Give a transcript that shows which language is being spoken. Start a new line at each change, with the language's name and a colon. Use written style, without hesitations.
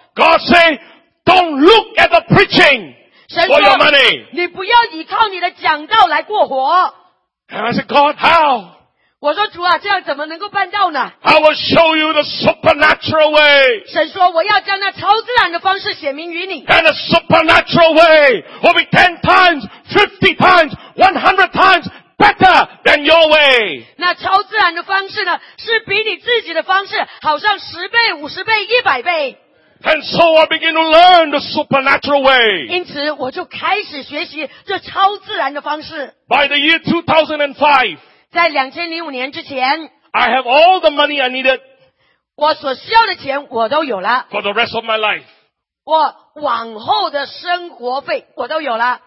English: God said, don't look at the preaching
Chinese: 神说,
English: for your money.
Chinese: 你不要依靠你的讲道来过活。
English: And I said, God, how?
Chinese: 我说主啊，这样怎么能够办到呢？
English: I will show you the supernatural way.
Chinese: 神说，我要将那超自然的方式显明于你。
English: And the supernatural way will be 10 times, 50 times, 100 times better than your way.
Chinese: 那超自然的方式呢，是比你自己的方式好上10倍、50倍、100倍。
English: And so I begin to learn the supernatural way.
Chinese: 因此我就开始学习这超自然的方式。
English: By the year 2005,
Chinese: 在2005年之前,
English: I have all the money I needed.
Chinese: 我所需要的钱我都有了,
English: for the rest of my life.
Chinese: 我往后的生活费我都有了,